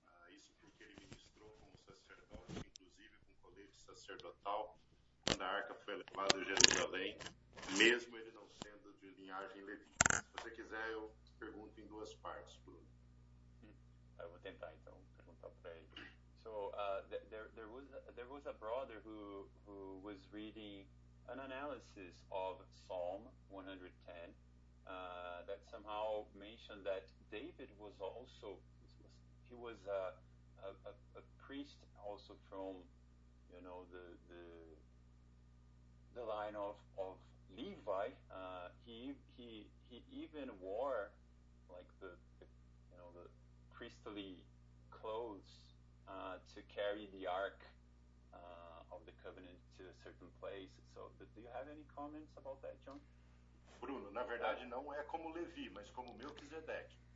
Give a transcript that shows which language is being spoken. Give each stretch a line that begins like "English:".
Portuguese: Isso porque ele ministrou como sacerdote, inclusive com colete sacerdotal, quando a arca foi levada a Jerusalém, mesmo ele não sendo de linhagem levita. Se você quiser, eu pergunto em duas partes, Bruno. Vou tentar então perguntar para ele.
English: So there was a brother who was reading an analysis of Psalm 110 that somehow mentioned that David was also he was a priest also from, you know, the line of Levi. He even wore like the priestly clothes to carry the ark of the covenant to a certain place. So, do you have any comments about that, John?
Portuguese: Bruno, na verdade, não é como Levi, mas como Melquisedeque.